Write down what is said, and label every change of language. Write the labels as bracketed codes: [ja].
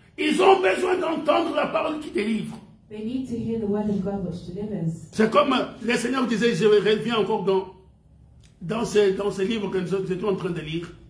[fr] Ils ont besoin d'entendre la parole qui délivre. [en] They need to hear the word of God which delivers. [fr] C'est comme le Seigneur disait, je reviens encore dans ce livre que nous étions en train de lire.